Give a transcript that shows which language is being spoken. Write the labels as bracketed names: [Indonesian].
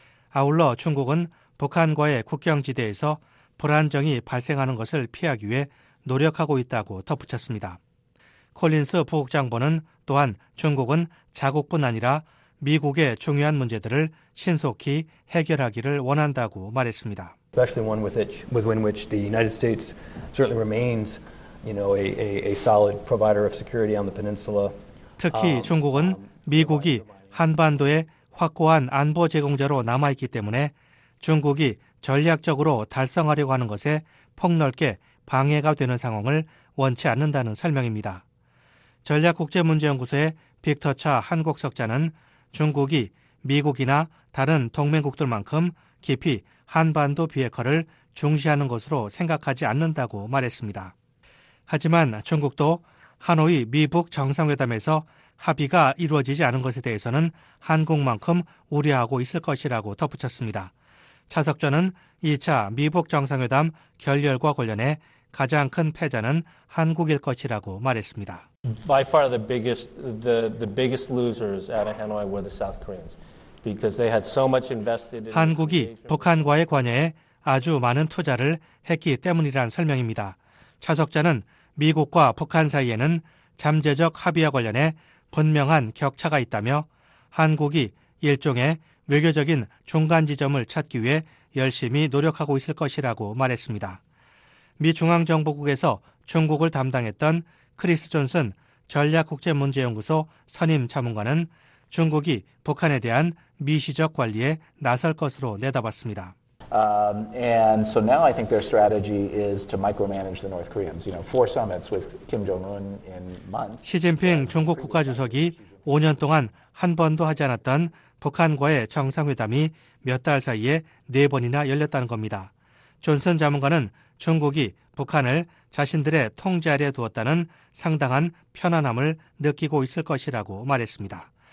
[Korean] 아울러 중국은 북한과의 국경지대에서 불안정이 발생하는 것을 피하기 위해 노력하고 있다고 덧붙였습니다. 콜린스 부국장보는 또한 중국은 자국뿐 아니라 미국의 중요한 문제들을 신속히 해결하기를 원한다고 말했습니다. [English] Especially one with which the United States certainly remains, you know, a solid provider of security on the peninsula. [Korean] 특히 중국은 미국이 한반도에 확고한 안보 제공자로 남아 있기 때문에 중국이 전략적으로 달성하려고 하는 것에 폭넓게 방해가 되는 상황을 원치 않는다는 설명입니다. 전략국제문제연구소의 빅터 차 한국 석좌는 중국이 미국이나 다른 동맹국들만큼 깊이 한반도 비핵화를 중시하는 것으로 생각하지 않는다고 말했습니다. 하지만 중국도 하노이 미북 정상회담에서 합의가 이루어지지 않은 것에 대해서는 한국만큼 우려하고 있을 것이라고 덧붙였습니다. 차 석좌는 2차 미북 정상회담 결렬과 관련해 가장 큰 패자는 한국일 것이라고 말했습니다. [English] By far the biggest losers out of Hanoi were the South Koreans because they had so much invested in [Korean] 한국이 북한과의 관여에 아주 많은 투자를 했기 때문이란 설명입니다. 차석자는 미국과 북한 사이에는 잠재적 합의와 관련해 분명한 격차가 있다며 한국이 일종의 외교적인 중간 지점을 찾기 위해 열심히 노력하고 있을 것이라고 말했습니다. 미 중앙정보국에서 중국을 담당했던 크리스 존슨 전략국제문제연구소 선임 자문관은 중국이 북한에 대한 미시적 관리에 나설 것으로 내다봤습니다. [English] And so now I think their strategy is to micromanage the North Koreans. You know, four summits with Kim Jong-un in months. [Korean] 시진핑 중국 국가주석이 5년 동안 한 번도 하지 않았던 북한과의 정상회담이 몇 달 사이에 네 번이나 열렸다는 겁니다. 존슨 자문관은 중국이 북한을 자신들의 통제 아래에 두었다는 상당한 편안함을 느끼고 있을 것이라고 말했습니다.